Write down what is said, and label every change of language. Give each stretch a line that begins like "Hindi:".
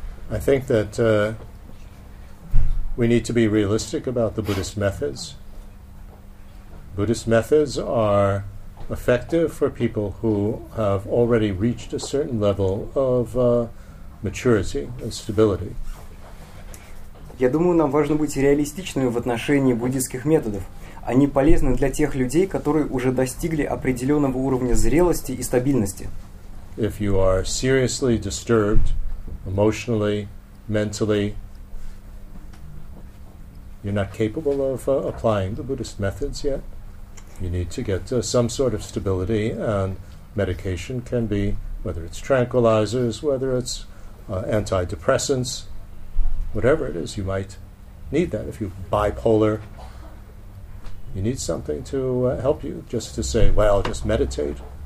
English: I think that we need to be realistic about the Buddhist methods. Buddhist methods are effective for people who have already reached a certain level of maturity and stability.
Russian: Я думаю, нам важно быть реалистичными в отношении буддийских методов. Они полезны для тех людей, которые уже достигли определенного уровня зрелости и стабильности.
English: If you are seriously disturbed emotionally, mentally, you're not capable of applying the Buddhist methods yet. You need to get some sort of stability, and medication can be, whether it's tranquilizers, whether it's antidepressants, whatever it is, you might need that. If you're bipolar, you need something to help you, just to say, well, just meditate.